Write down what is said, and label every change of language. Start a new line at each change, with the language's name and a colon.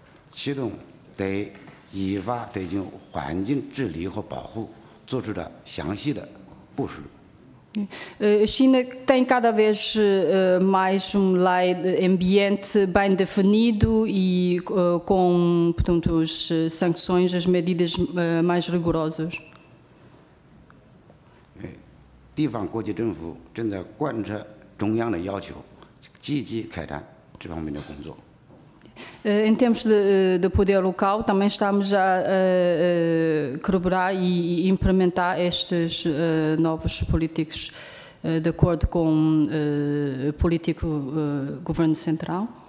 Chinese: 其中对依法推进环境治理和保护做出了详细的部署。
Portuguese: China tem cada vez mais lei de ambiente bem definido e com, portanto, as sanções, as medidas mais rigorosas.
Chinese: 地方国际政府正在贯彻中央的要求，积极开展这方面的工作。
Portuguese: Em termos de poder local, também estamos a colaborar e implementar estes novos políticos de acordo com o político governo central.